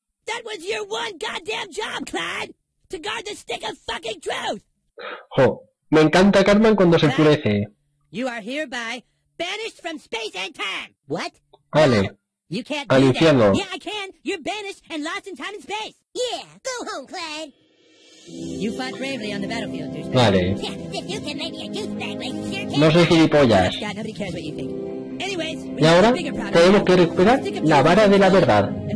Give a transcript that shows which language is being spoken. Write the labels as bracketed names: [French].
[English] That was your one goddamn job, Clyde! To guard the stick of fucking truth! [Spanish] Jo, me encanta Cartman cuando se enfurece. [English] You are hereby banished from space and time! What? Ale. You can't [Spanish] al infierno. [English] Yeah, I can! You're banished and lost in time and space! Yeah, go home, Clyde! You fought bravely on the battlefield, douchebag. [Spanish] Vale. [English] Yeah, you can make me a douchebag, but you sure can't. [Spanish] No soy gilipollas. [English] Nobody cares what you think. [Spanish] Y ahora tenemos que recuperar la vara de la verdad.